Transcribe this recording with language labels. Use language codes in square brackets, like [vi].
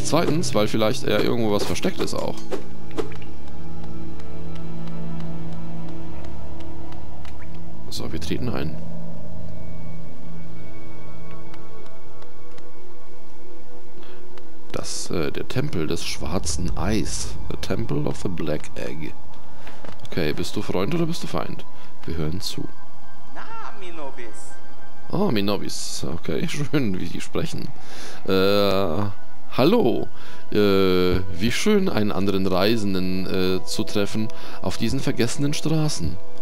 [de] Zweitens, weil vielleicht ja irgendwo was versteckt ist auch. So, wir treten ein. Das, der Tempel des schwarzen Eis. [en] The Temple of the Black Egg. [de] Okay, bist du Freund oder bist du Feind? Wir hören zu. Na, Minobis. Oh, Minobis. Okay, schön, wie die sprechen. Hallo. Wie schön, einen anderen Reisenden zu treffen auf diesen vergessenen Straßen.